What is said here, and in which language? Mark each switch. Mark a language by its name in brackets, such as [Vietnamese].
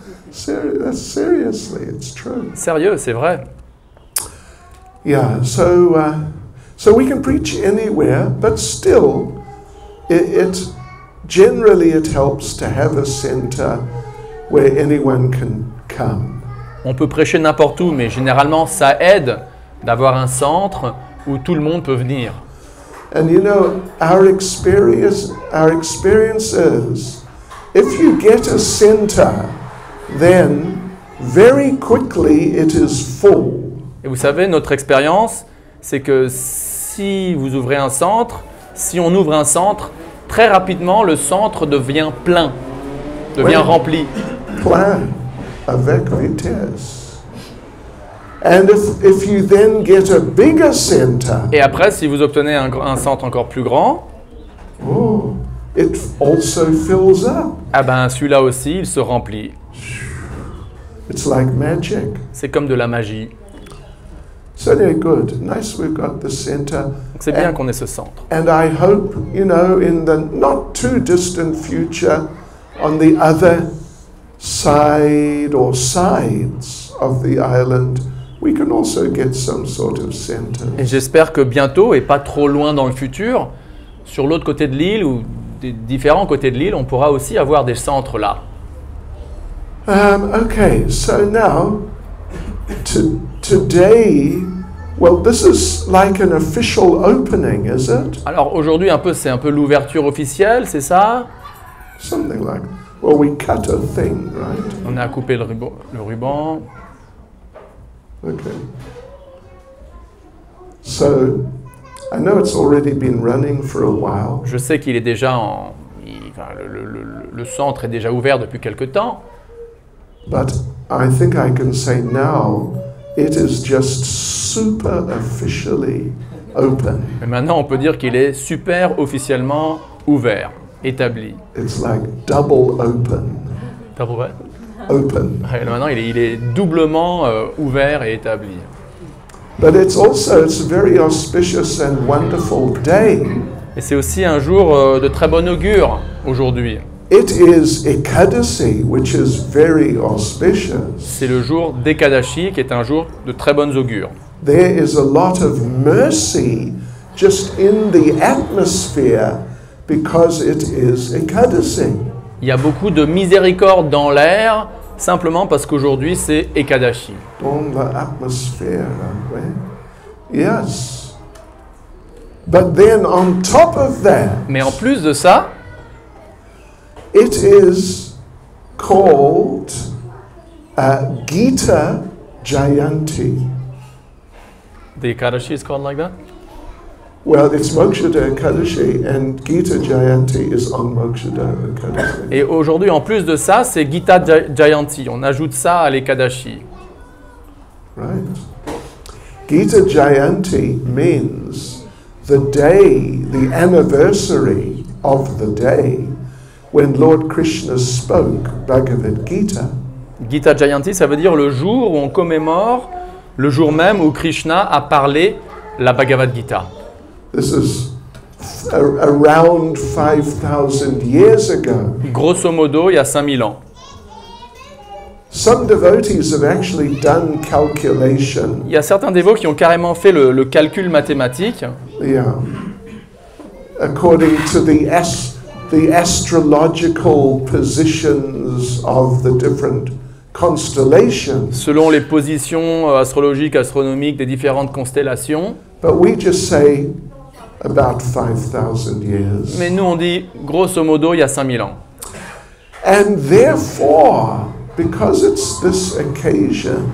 [English] Seriously, it's true. [French] Sérieux, c'est vrai. [English] Yeah, so we can preach anywhere, but still, it generally it helps to have a center where anyone can come. [French] On peut prêcher n'importe où, mais généralement ça aide d'avoir un centre où tout le monde peut venir. [English] And you know, our experience is, if you get a center, then very quickly it is full. [French] Et vous savez, notre expérience, c'est que si vous ouvrez un centre, si on ouvre un centre, très rapidement le centre devient plein, devient oui. Rempli. Plein, avec vitesse. [English] And if you then get a bigger center. [French] Et après, si vous obtenez un centre encore plus grand. [English] Oh, it also fills up. [French] Ah ben, celui-là aussi, il se remplit. [English] It's like magic. [French] C'est comme de la magie. [English] So they're good. Nice, we've got the center. [French] Donc c'est bien qu'on ait ce centre. [English] And I hope, you know, in the not too distant future, on the other side or sides of the island, we can also get some sort of center. [French] Et j'espère que bientôt, et pas trop loin dans le futur, sur l'autre côté de l'île ou des différents côtés de l'île, on pourra aussi avoir des centres là. [English] Okay, so now, today, well, this is like an official opening, is it? [French] Alors aujourd'hui, un peu, c'est un peu l'ouverture officielle, c'est ça? [English] Something like, well, we cut a thing, right? [French] On a coupé le ruban. [English] Okay. So, I know it's already been running for a while. [French] Je sais qu'il est déjà en, enfin, le centre est déjà ouvert depuis quelque temps. [English] But I think I can say now, it is just super officially open. [French] Mais maintenant, on peut dire qu'il est super officiellement ouvert, établi. [English] It's like double open. Double what? Open. [French] Ouais, maintenant, il est doublement ouvert et établi. [English] But it's a very auspicious and wonderful day. [French] Et c'est aussi un jour de très bon augure aujourd'hui. [English] It is Ekadashi, which is very auspicious. [French] C'est le jour d'Ekadashi qui est un jour de très bonnes augures. [English] There is a lot of mercy just in the atmosphere because it is Ekadashi. [French] Il y a beaucoup de miséricorde dans l'air simplement parce qu'aujourd'hui c'est Ekadashi. Dans l'atmosphère, oui. [English] Yes. But then on top of that. [French] Mais en plus de ça. [English] It is called Gita Jayanti. The Ekadashi is called like that? Well, it's Moksha Day Ekadashi, and Gita Jayanti is on Moksha Day Ekadashi. [French] Et aujourd'hui, en plus de ça, c'est Gita Jayanti. On ajoute ça à l'Ekadashi. [English] Right. Gita Jayanti means the day, the anniversary of the day. When Lord Krishna spoke Bhagavad Gita. [French] Gita Jayanti, ça veut dire le jour où on commémore le jour même où Krishna a parlé la Bhagavad Gita. [English] This is around 5,000 years ago. [French] Grosso modo, il y a 5000 ans. [English] Some devotees have actually done calculation. [French] Il y a certains dévots qui ont carrément fait le calcul mathématique. [English] Yeah. According to the astrological positions of the different constellations. [French] Selon les positions astrologiques, astronomiques des différentes constellations. [English] But we just say about 5,000 years. [French] Mais nous on dit grosso modo il y a 5000 ans. [English] And therefore, because it's this occasion.